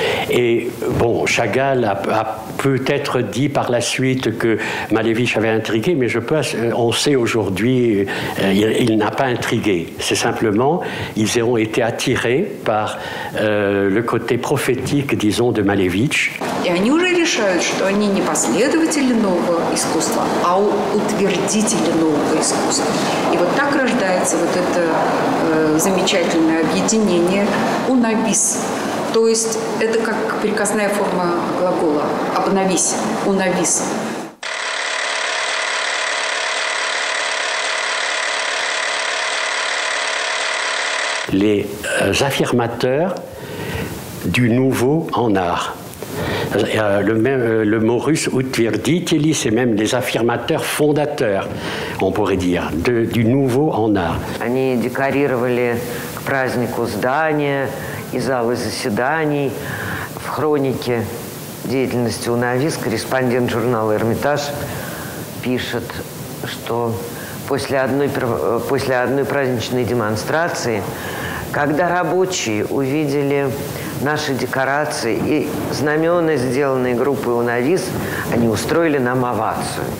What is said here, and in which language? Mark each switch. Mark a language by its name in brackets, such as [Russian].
[French] Et bon, Chagall a peut-être dit par la suite que Malevich avait intrigué, mais on sait aujourd'hui, il n'a pas intrigué. C'est simplement, ils ont été attirés par le côté prophétique, disons, de Malevich. Et ils ont déjà décidé qu'ils ne sont pas des suiveurs du nouveau art, mais des utilisateurs du nouveau art. [Russian] Et вот так рождается вот это замечательное объединение «унабис». То есть это как переказная форма глагола «обновись», «унабис». [French] Les affirmateurs du nouveau en art. Le mot russe « утвердители », c'est même les affirmateurs fondateurs, on pourrait dire, du nouveau en art. [Russian] Они декорировали к празднику здания и залы заседаний. В хронике деятельности «Унавис» корреспондент журнала «Эрмитаж» пишет, что после одной праздничной демонстрации, когда рабочие увидели наши декорации и знамена, сделанные группой «Унавис», они устроили нам овацию.